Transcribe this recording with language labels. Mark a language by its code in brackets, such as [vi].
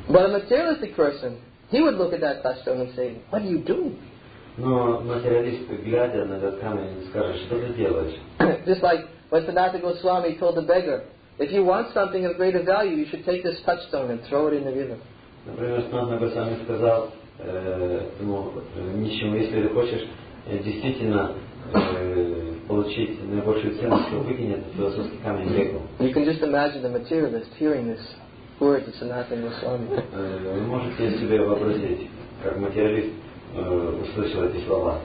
[en] But a materialistic person, he would look at that touchstone and say, "What are you doing?" [ru] Но материалист, глядя на этот камень, скажет, что ты делаешь? [en] Just like when Sanatana Goswami told the beggar, "If you want something of greater value, you should take this touchstone and throw it in the river." [ru] Например, Sanatana Goswami сказал ему нищему, если ты хочешь действительно получить наибольшую ценность, то выкинь этот философский камень в реку. [en] You can just imagine the materialist hearing this. Word is Sanatana Goswami. [ru] Вы можете себе вообразить, как материалист услышал эти слова.